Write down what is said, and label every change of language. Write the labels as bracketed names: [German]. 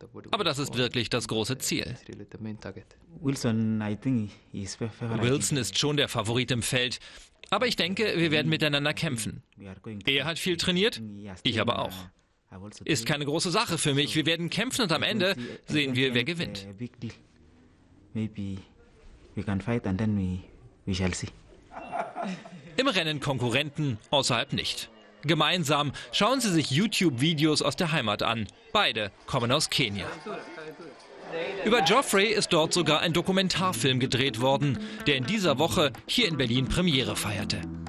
[German] Aber das ist wirklich das große Ziel. Wilson ist schon der Favorit im Feld. Aber ich denke, wir werden miteinander kämpfen. Er hat viel trainiert, ich aber auch. Ist keine große Sache für mich. Wir werden kämpfen und am Ende sehen wir, wer gewinnt. [English] We can fight and then we shall see. [German] Im Rennen Konkurrenten, außerhalb nicht. Gemeinsam schauen Sie sich YouTube-Videos aus der Heimat an. Beide kommen aus Kenia. Über Geoffrey ist dort sogar ein Dokumentarfilm gedreht worden, der in dieser Woche hier in Berlin Premiere feierte.